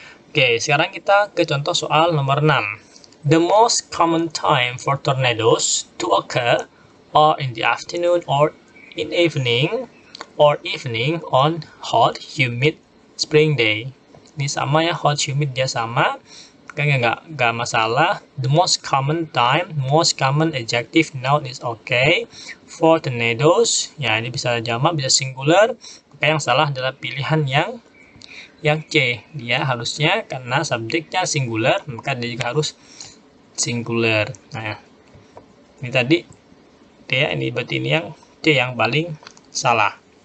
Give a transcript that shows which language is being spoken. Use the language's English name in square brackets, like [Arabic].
[Indonesian] Oke, sekarang kita ke contoh soal nomor 6. [English] The most common time for tornadoes to occur are in the afternoon or in evening or evening on hot, humid spring day. [Indonesian] Ini sama ya, hot, humid, dia sama. Kayaknya nggak masalah. [English] The most common time, most common adjective noun is okay. For tornadoes, [Indonesian] ya ini bisa jamak, bisa singular. Kayak yang salah adalah pilihan yang C. Dia harusnya, karena subjeknya singular, maka dia juga harus singular. Nah, ya. Ini tadi, dia ini berarti ini yang C yang paling salah.